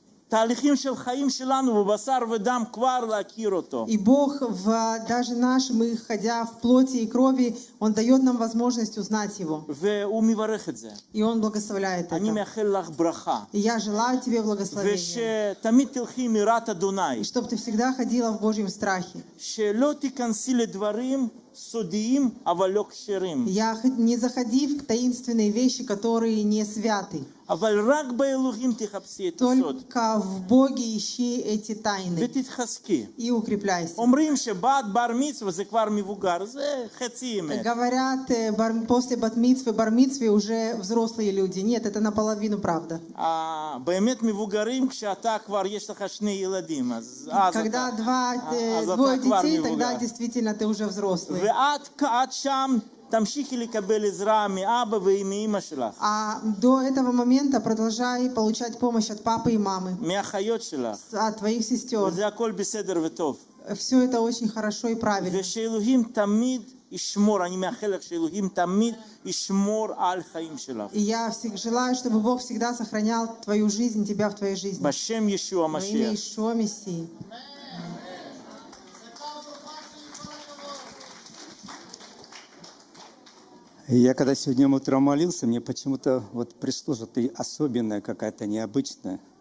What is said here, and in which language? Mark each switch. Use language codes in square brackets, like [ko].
[he] תהליכים של חיים שלנו ובשר ודם כבר להכיר אותו. [ru] И Бог в даже наш мы ходя в плоти и крови, он дает нам возможность узнать его. [he] והוא מברך את זה. [ru] И он благословляет это. [he] אני מאחל לך ברכה. [ru] Я желаю тебе благословения. [he] ושתמיד תלכי מיראת אדוני. [ru] И чтобы ты всегда ходила в Божьем страхе. [he] שלא תיכנסי לדברים סודיים אבל לא כשרים. [ru] Я не заходи в таинственные вещи, которые не святы. [he] אבל רק באלוהים תחפשי את הסוד. [ru] Только в Боге ищи эти тайны. [he] ותתחזקי. [ru] И укрепляйся. [he] אומרים שבת בר מצווה זה כבר מבוגר, זה חצי אמת. [ru] Говорят, после бат мицвы, бар мицвы уже взрослые люди. Нет, это наполовину правда. [he] А באמת מבוגרים כשאתה כבר יש לך שני ילדים, אז [ru] когда двое детей, тогда действительно ты уже взрослый. [he] ועד שם תמשיכי לקבל עזרה מאבא ומאמא שלך. [ru] А до этого момента продолжай получать помощь от папы и мамы. [he] מהאחיות שלך. [ru] От твоих сестер. [he] וזה הכל בסדר וטוב. [ru] Все это очень хорошо и правильно. [he] ושאלוהים תמיד ישמור. אני מאחל לך שאלוהים תמיד ישמור על חיים שלך. [ru] И я желаю, чтобы Бог всегда сохранял твою жизнь, тебя в твоей жизни. [he] בשם ישוע המשיח. [ru] Во имя Иешуа Мессии. Я когда сегодня утром молился, мне почему-то вот пришло, что ты особенная какая-то, необычная.